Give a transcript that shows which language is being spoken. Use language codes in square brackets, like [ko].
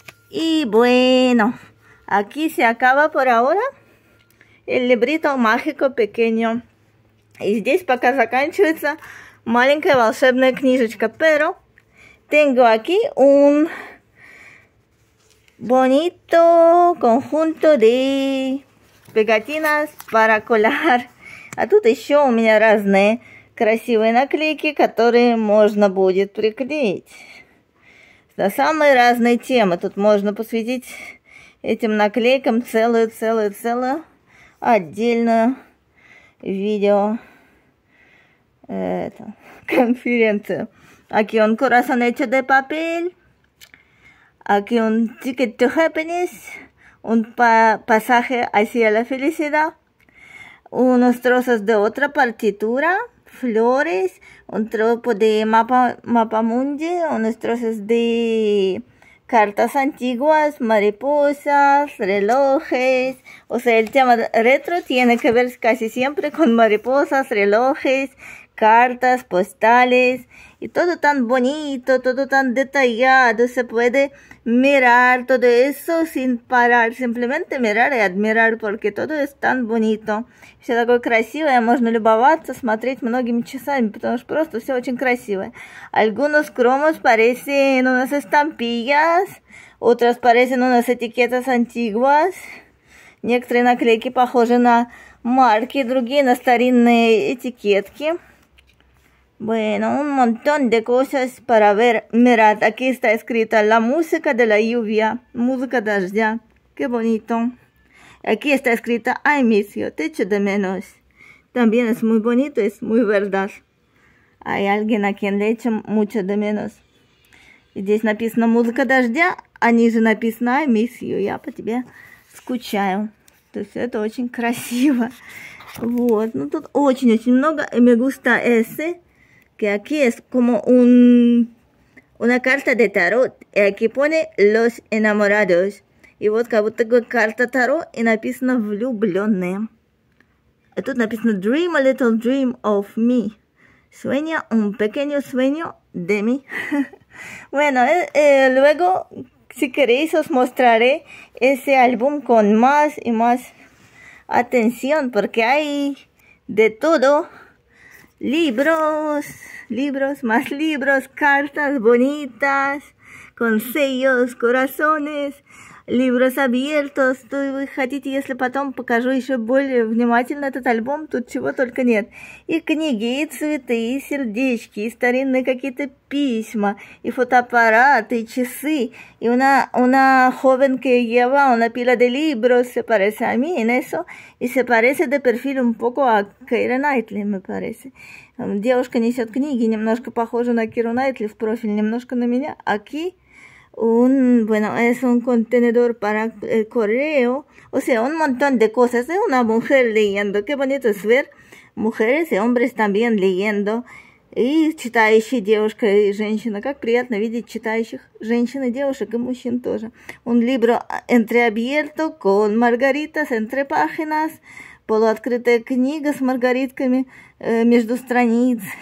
[es] И bueno, aquí se acaba por ahora el librito mágico pequeño. [ru] И здесь пока заканчивается маленькая волшебная книжечка. [es] Pero tengo aquí un bonito conjunto de pegatinas para colar. [ru] А тут еще у меня разные красивые наклейки, которые можно будет приклеить на самые разные темы. Тут можно посвятить этим наклейкам целую отдельную видео конференцию. [es] Aquí un corazón hecho de papel. Aquí un [en] ticket to happiness. [es] Un pasaje hacia la felicidad. Unos trozos de otra partitura. Flores. Un tropo de mapa mundi. Unos trozos de cartas antiguas. Mariposas. Relojes. O sea, el tema retro tiene que ver casi siempre con mariposas, relojes, cartas, postales. y todo tan bonito, todo tan detallado, se puede mirar todo eso sin parar, simplemente mirar y admirar porque todo es tan bonito. [ru] Все такое красивое, можно любоваться, смотреть многими часами, потому что просто все очень красивое. [es] Algunos cromos parecen unas estampillas, otras parecen unas etiquetas antiguas. [ru] Некоторые наклейки похожи на марки, другие на старинные этикетки. [es] Bueno, un montón de cosas para ver. Mirad, aquí está escrita la música de la lluvia. Música de dождя. Qué bonito. Aquí está escrita [en] I miss you. [es] Te echo de menos. También es muy bonito, es muy verdad. Hay alguien a quien le echo mucho de menos. [ru] Здесь написано музыка дождя, а ниже написано [en] I miss you. [ru] Я по тебе скучаю. То есть это очень красиво. Вот, ну тут очень-очень много. [es] Me gusta ese. Que aquí es como una carta de tarot. Y aquí pone los enamorados. [ru] И вот как будто такая карта таро и написано влюбленные. И тут написано [en] dream a little dream of me. [es] Sueña un pequeño sueño de mí. Bueno, luego si queréis os mostraré ese álbum con más y más atención. Porque hay de todo. Libros, libros, más libros, cartas bonitas, con sellos, corazones, libros abiertos. [ru] То вы хотите, если потом покажу еще более внимательно этот альбом, тут чего только нет. И книги, и цветы, и сердечки, и старинные какие-то письма, и фотоаппараты, и часы. [es] И una joven que lleva una pila de libros, se parece a mí en eso, y se parece de perfil un poco a Keira Knightley, me parece. [ru] Девушка несет книги, немножко похожа на Киру Найтли в профиль, немножко на меня. [es] Aquí, es un contenedor para correo. O sea, un montón de cosas. Es una mujer leyendo. Qué bonito es ver mujeres y hombres también leyendo. [ru] И читающие девушка и женщина. Как приятно видеть читающих женщин и девушек, и мужчин тоже. [es] Un libro entreabierto con margaritas entre páginas. [ru] Полуоткрытая книга с маргаритками между страниц.